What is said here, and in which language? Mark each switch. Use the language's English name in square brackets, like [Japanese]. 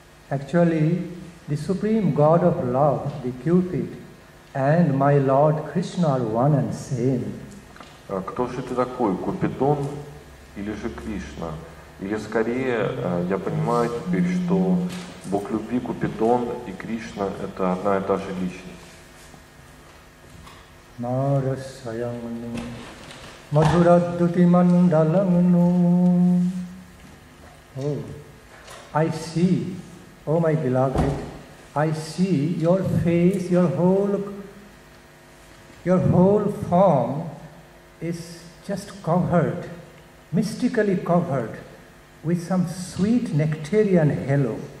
[English] Actually, the Supreme God of Love, the Cupid, and my Lord Krishna are one and same. [Russian] Кто же ты такой, Купидон или же Кришна? Или скорее, я понимаю теперь, что Бог любви Купидон и Кришна – это одна и та же личность. [Sanskrit] Марасаяну мадхураддути мандалану. [English] Oh, I see. Oh my beloved, I see your face, your whole form is just covered, mystically covered, with some sweet nectarian halo.